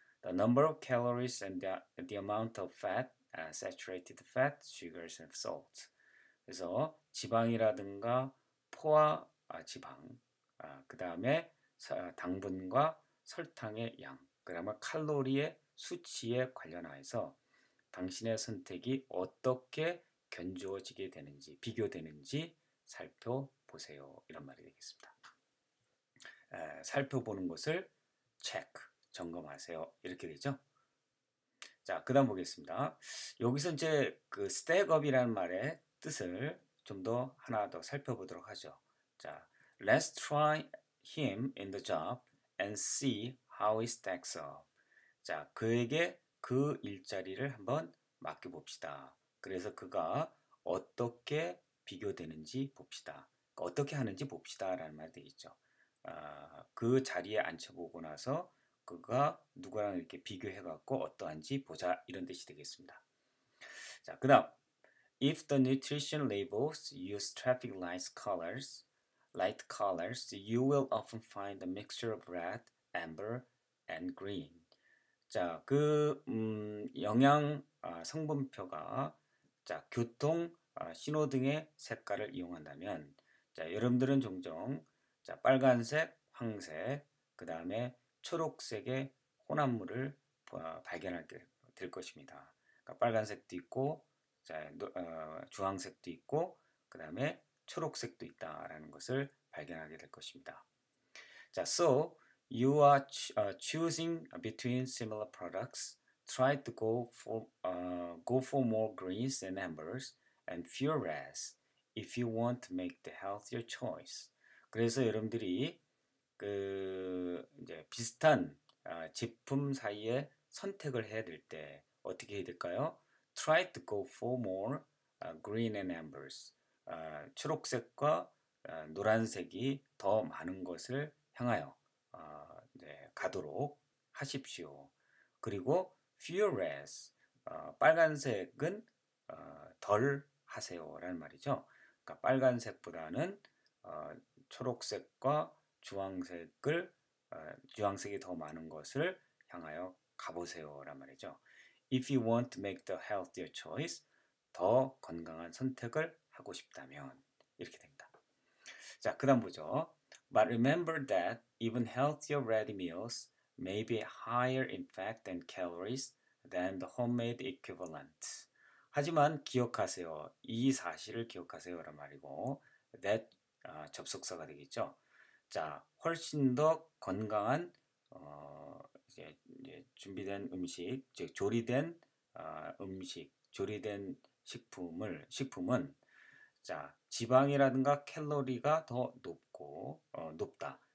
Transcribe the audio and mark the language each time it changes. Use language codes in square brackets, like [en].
[en] The number of calories and the amount of fat, saturated fat, sugars and salt. [ko] 그래서 지방이라든가 포화 지방, 그 다음에 당분과 설탕의 양, 그다음에 칼로리의 수치에 관련하여서 당신의 선택이 어떻게 견주어지게 되는지, 비교되는지 살펴보세요. 이런 말이 되겠습니다. 살펴보는 것을 체크, 점검하세요. 이렇게 되죠. 자, 그다음 보겠습니다. 여기서 이제 그 stack up이라는 말의 뜻을 좀더 하나 더 살펴보도록 하죠. [en] 자, let's try him in the job and see how he stacks up. [ko] 자, 그에게 그 일자리를 한번 맡겨봅시다. 그래서 그가 어떻게 비교되는지 봅시다. 어떻게 하는지 봅시다라는 말이 되겠죠. 그 자리에 앉혀보고 나서 그가 누구랑 이렇게 비교해갖고 어떠한지 보자 이런 뜻이 되겠습니다. [en] 자, [ko] 그 다음 [en] If the nutrition labels use traffic lights colors, light colors, you will often find a mixture of red, amber, and green. [ko] 자, 그 영양 성분표가 교통 신호 등의 색깔을 이용한다면 여러분들은 종종 빨간색, 황색, 그 다음에 초록색의 혼합물을 발견할 게될 것입니다. 그러니까 빨간색도 있고, 주황색도 있고, 그 다음에 초록색도 있다라는 것을 발견하게 될 것입니다. [en] 자, so you are choosing between similar products. Try to go for more greens and ambers and fewer reds if you want to make the healthier choice. [ko] 그래서 여러분들이 그 이제 비슷한 제품 사이에 선택을 해야 될때 어떻게 해야 될까요? [en] Try to go for more green and ambers. [ko] 초록색과 노란색이 더 많은 것을 향하여 가도록 하십시오. 그리고 [en] fewer less. [ko] 빨간색은 덜 하세요라는 말이죠. 그러니까 빨간색보다는 초록색과 주황색이 더 많은 것을 향하여 가보세요란 말이죠. [en] If you want to make the healthier choice, [ko] 더 건강한 선택을 하고 싶다면 이렇게 됩니다. 자, 그다음 보죠. [en] But remember that even healthier ready meals may be higher in fat and calories than the homemade equivalent. [ko] 하지만 기억하세요. 이 사실을 기억하세요란 말이고 that 접속사가 되겠죠. 자, 훨씬 더 건강한 이제 준비된 음식, 즉 조리된 음식, 조리된 식품은 자, 지방이라든가 칼로리가 더 높고 높다.